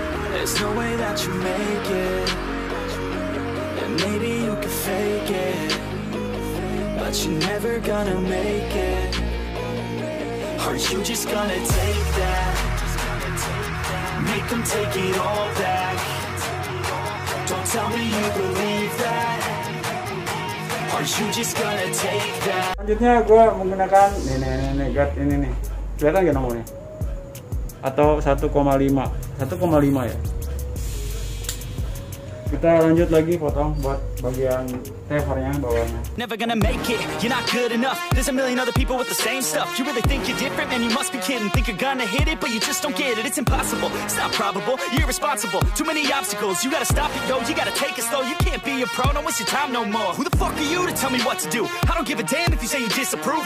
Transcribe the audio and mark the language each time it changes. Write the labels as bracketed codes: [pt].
[en] There's no way that you make it. And maybe you can fake it, but you're never gonna make it. Are you just gonna take that? Make them take it all back. Don't tell me you believe that. Are you just gonna take that? [id] Selanjutnya gua menggunakan nih guard ini nih. Kelihatan gak nomornya? Atau 1,5 ya. Kita lanjut lagi potong buat bagian tevernya bawahnya. [en] Never gonna make it, you're not good enough. There's a million other people with the same stuff. You really think you're different, man, you must be kidding. Think you're gonna hit it, but you just don't get it. It's impossible, it's not probable, you're irresponsible. Too many obstacles, you gotta stop it, yo. You gotta take it slow, you can't be a pro. No, it's your time no more. Who the fuck are you to tell me what to do? I don't give a damn if you say you disapprove.